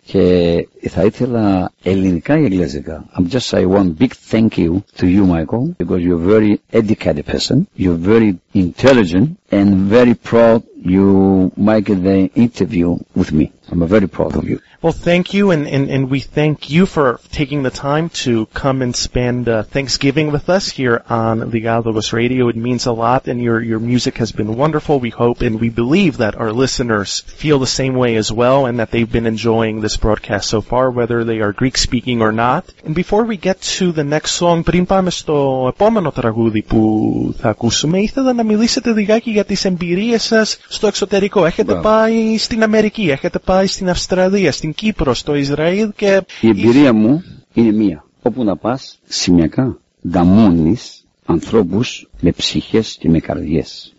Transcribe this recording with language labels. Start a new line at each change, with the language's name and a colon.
Greek: Και θα ήθελα ελληνικά ή αγγλικά.
English: I'm just say one big thank you to you, Michael, because you're a very educated person, you're very intelligent, and very proud you make the interview with me. I'm very proud of you. Well, thank you, and we thank you for taking the time to come and spend Thanksgiving with us here on the Galagos Radio. It means a lot, and your music has been wonderful. We hope and we believe that our listeners feel the same way as well, and that they've been enjoying this broadcast so far, whether they are Greek-speaking or not. And before we get to the next song,
Greek: πριν πάμε στο επόμενο τραγούδι που θα ακούσουμε, ήθελα να μιλήσετε λιγάκι για τις εμπειρίες σας στο εξωτερικό. Έχετε πάει στην Αμερική, έχετε πάει στην Αυστραλία, στην Κύπρο, στο Ισραήλ και... Η εμπειρία μου είναι μία. Όπου να πας, σημειακά, δαμώνεις ανθρώπους με ψυχές και με καρδιές.